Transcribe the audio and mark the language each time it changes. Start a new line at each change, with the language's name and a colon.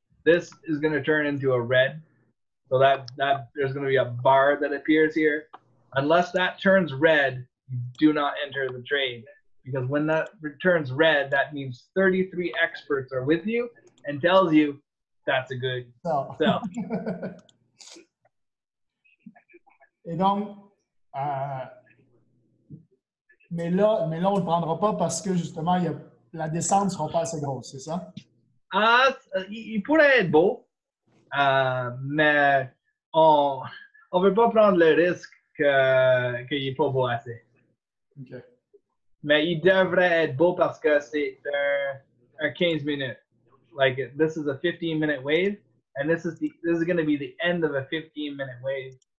English: This is going to turn into a red. So that there's going to be a bar that appears here. Unless that turns red, do not enter the trade. Because when that turns red, that means 33 experts are with you and tells you that's a good sell.
French: Et donc, mais là on le prendra pas parce que justement il y a la descente ne sera pas assez grosse, c'est ça? Il pourrait être beau, mais on ne veut pas prendre le risque qu'il n'est pas beau assez. OK. Mais il devrait être beau parce que c'est un 15 minutes.
English: Like, this is a 15 minute wave, and this is going to be the end of a 15 minute wave.